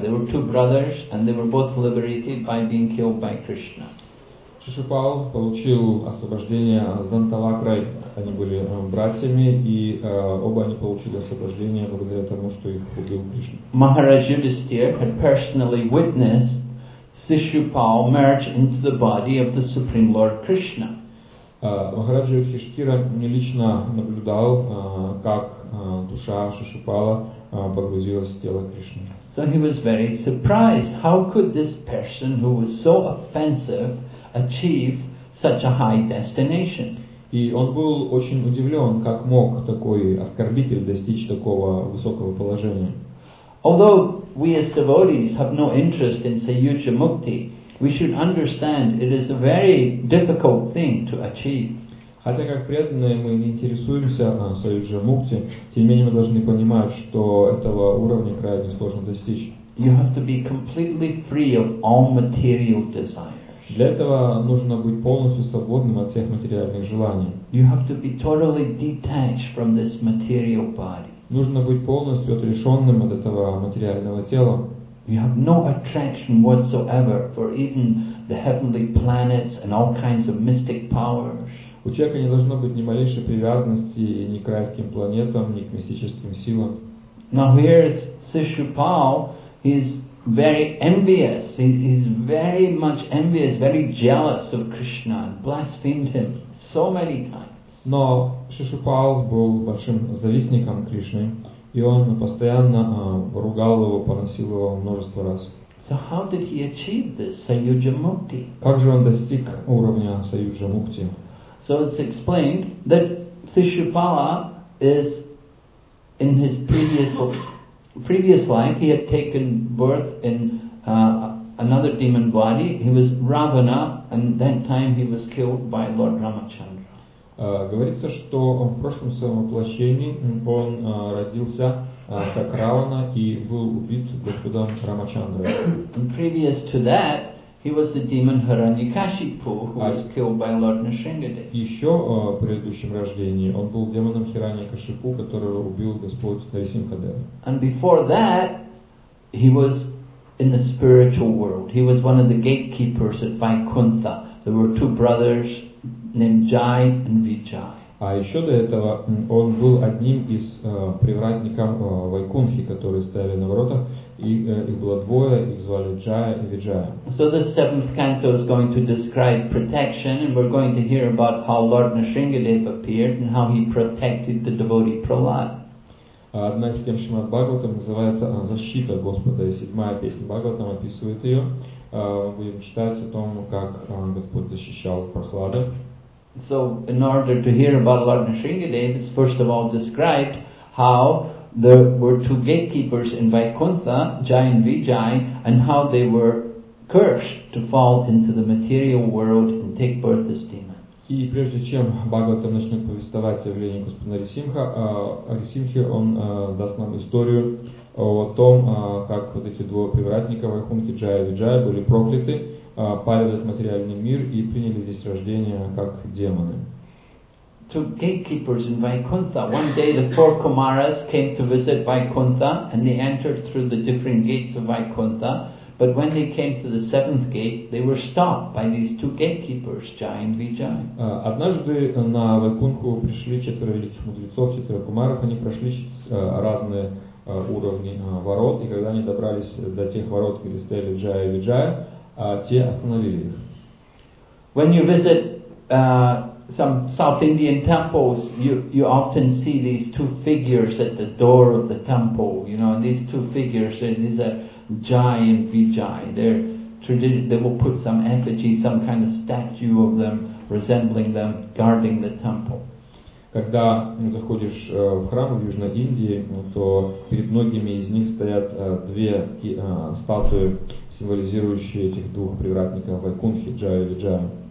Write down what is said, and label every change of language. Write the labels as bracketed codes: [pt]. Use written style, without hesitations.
[en] They were two brothers, and they were both liberated by being killed by Krishna. [ru] Шишупал получил освобождение с Дантавакрой. Они были братьями, и оба они получили освобождение благодаря тому, что их убил Кришна. [en] Maharaj Yudhisthira had personally witnessed Шишупал merge into the body of the Supreme Lord Krishna. [ru] Махараджа Юдхиштхира не лично наблюдал, как душа Шишупала погрузилась в тело Кришны. [en] So he was very surprised. How could this person who was so offensive achieve such a high destination? [ru] И он был очень удивлен, как мог такой оскорбитель достичь такого высокого положения. [en] Although we as devotees have no interest in Sayuja Mukti, we should understand it is a very difficult thing to achieve. [ru] Хотя как преданные мы не интересуемся Саюджа Мукти, тем не менее мы должны понимать, что этого уровня крайне сложно достичь. [en] You have to be completely free of all material desires. [ru] Для этого нужно быть полностью свободным от всех материальных желаний. [en] You have to be totally detached from this material body. [ru] Нужно быть полностью отрешенным от этого материального тела. [en] You have no attraction whatsoever for even the heavenly planets and all kinds of mystic powers. [ru] У человека не должно быть ни малейшей привязанности ни к райским планетам, ни к мистическим силам. [en] Now here is Шишупал. He's very envious. He's very much envious, very jealous of Krishna, blasphemed him so many times. [ru] Но Шишупал был большим завистником Кришны, и он постоянно ругал его, поносил его множество раз. [en] So how did he achieve this Саюджа Мукти? [ru] Как же он достиг уровня Саюджа Мукти? [en] So it's explained that Шишупала is in his previous life he had taken birth in another demon body. He was Ravana, and that time he was killed by Lord Ramachandra. [ru] Говорится, что в прошлом своем воплощении он родился как Равана и был убит господом Рамачандра. [en] And previous to that, he was the demon Hiranyakashipu, who was killed by Lord Nrisingadev. [ru] Еще в предыдущем рождении он был демоном Хираньякашипу, которого убил господь Нрисимхадев. [en] And before that, he was in the spiritual world. He was one of the gatekeepers at Vaikuntha. There were two brothers named Jai and Vijay. [ru] А еще до этого он был одним из привратников Вайкунхи, которые стояли на воротах. И их было двое, их звали Джая и Виджая. [en] So the seventh canto is going to describe protection, and we're going to hear about how Lord Nrisingadev appeared and how he protected the devotee Prahlad. [ru] Одна из тем Шримад Бхагаватам называется «Защита Господа», и седьмая песня Бхагаватам описывает ее. Будем читать о том, как Господь защищал Прохлада. [en] So, in order to hear about Lord Nrisingadev, it's first of all described how there were two gatekeepers in Vaikuntha, Jai and Vijay, and how they were cursed to fall into the material world and take birth as demons. [ru] И прежде чем Бхагаватам начнет повествовать о явлении Господа Нарисимха, Нарисимхе он даст нам историю о том, как вот эти двое привратника Вайкунхи, Джай и Виджай, были прокляты, пали в этот материальный мир и приняли здесь рождение как демоны. [en] To gatekeepers in Vaikuntha. One day the four Kumaras came to visit Vaikuntha and they entered through the different gates of Vaikuntha. But when they came to the seventh gate, they were stopped by these two gatekeepers, Jai and Vijay. [ru] Однажды на Вайкунху пришли четверо великих мудрецов, четверо Кумаров. Они прошли разные уровни ворот, и когда они добрались до тех ворот, где стояли Джай и Виджай, те остановили их. [en] When you visit some South Indian temples, you often see these two figures at the door of the temple. You know, these two figures, these are Jai and Vijay. They will put some effigy, some kind of statue of them, resembling them, guarding the temple. [ru] Когда заходишь в храм в Южной Индии, то перед многими из них стоят две статуи, символизирующие этих двух привратников Вайкунхи, Джая и Виджая.